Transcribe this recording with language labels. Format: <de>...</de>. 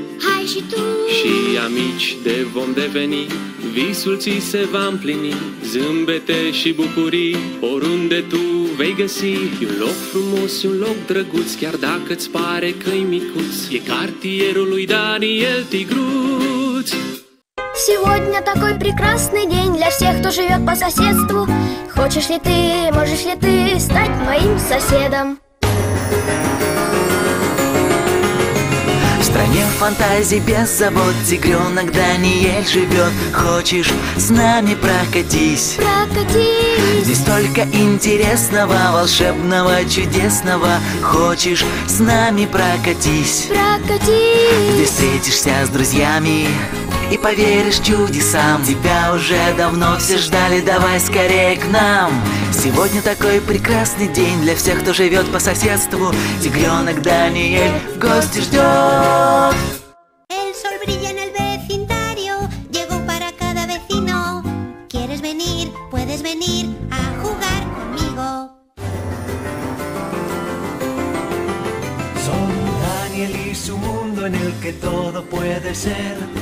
<ro>Hai și tu. Și amici de vom deveni, visul ți se va împlini. Zâmbete și bucurii, oriunde tu vei găsi. E un loc frumos, un loc drăguț, chiar dacă-ți pare că-i micuț. E cartierul lui Daniel Tigruț.</ro> <ru>Сегодня такой прекрасный день для всех, кто живет по соседству. Хочешь ли ты, можешь ли ты стать моим соседом? В стране фантазий без забот тигренок Даниэль живет. Хочешь, с нами прокатись? Прокатись! Здесь только интересного, волшебного, чудесного. Хочешь, с нами прокатись? Прокатись! Здесь встретишься с друзьями и поверишь чудесам. Тебя уже давно все ждали, давай скорее к нам. Сегодня такой прекрасный день для всех, кто живет по соседству. Тигренок Даниэль в гости ждет.</ru> <es>El sol brilla en el vecindario, llegó para cada vecino. ¿Quieres venir? Puedes venir a jugar conmigo. Son Daniel y su mundo en el que todo puede ser.</es>